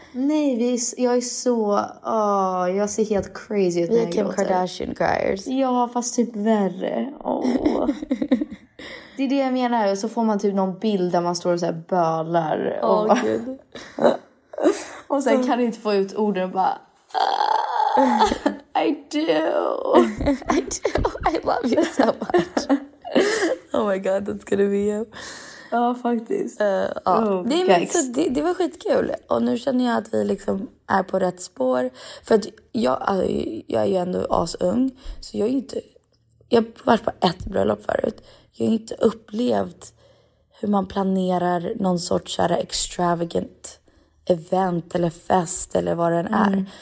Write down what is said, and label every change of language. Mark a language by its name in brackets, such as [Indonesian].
[Swedish] Nej, jag är så... jag ser helt crazy ut när jag gråter. Vi är Kim Kardashian cryers. Ja, fast typ värre. Det är det jag menar. Och så får man typ någon bild där man står och så här bölar. Gud. Och sen kan du inte få ut orden och bara... [English] I do. I do. I love you so much. Oh my god, that's gonna be you. [Swedish] Ja, faktiskt. Det var skitkul. Och nu känner jag att vi liksom är på rätt spår. För att jag är ju ändå asung. Så jag är inte... Jag har varit på ett bröllop förut. Jag har inte upplevt hur man planerar någon sorts så här extravagant event eller fest eller vad den är.